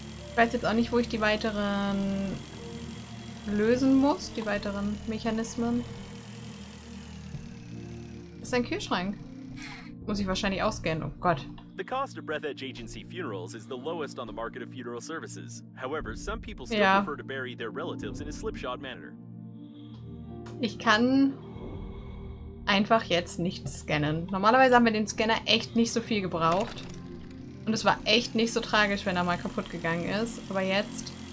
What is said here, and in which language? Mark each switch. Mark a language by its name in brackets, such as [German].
[German] Ich weiß jetzt auch nicht, wo ich die weiteren lösen muss. Die weiteren Mechanismen. Das ist ein Kühlschrank. Muss ich wahrscheinlich auch scannen. Oh Gott. [English] The cost of Breath Edge Agency funerals is the lowest on the market of funeral services. However, some people still prefer to bury their relatives in a slipshod manner. [German] Ich kann... einfach jetzt nicht scannen. Normalerweise haben wir den Scanner echt nicht so viel gebraucht. Und es war echt nicht so tragisch, wenn er mal kaputt gegangen ist. Aber jetzt...